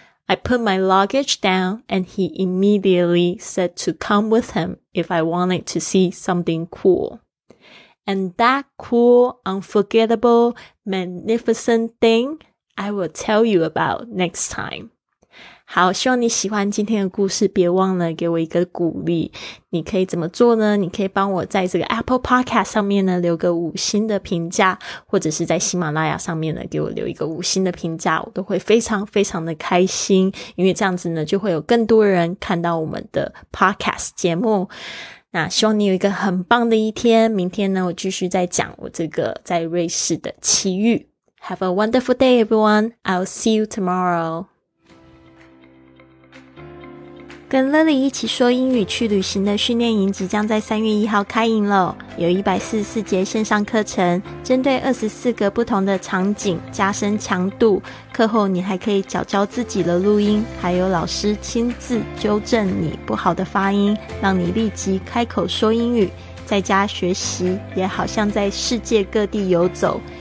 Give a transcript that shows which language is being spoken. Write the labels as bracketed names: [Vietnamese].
[English] I put my luggage down, and he immediately said to come with him if I wanted to see something cool. And that cool, unforgettable, magnificent thing, I will tell you about next time. [Chinese] 好，希望你喜欢今天的故事，别忘了给我一个鼓励。你可以怎么做呢？你可以帮我在这个 Apple Podcast 上面呢留个五星的评价，或者是在喜马拉雅上面呢给我留一个五星的评价，我都会非常非常的开心，因为这样子呢就会有更多人看到我们的 Podcast 节目。那希望你有一个很棒的一天，明天呢我继续再讲我这个在瑞士的奇遇。 [English] Have a wonderful day everyone, I'll see you tomorrow. [Chinese] 跟 Lily 一起说英语去旅行的训练营即将在3月1号开营了，有144节线上课程，针对24个不同的场景加深强度，课后你还可以矫教自己的录音，还有老师亲自纠正你不好的发音，让你立即开口说英语，在家学习也好像在世界各地游走。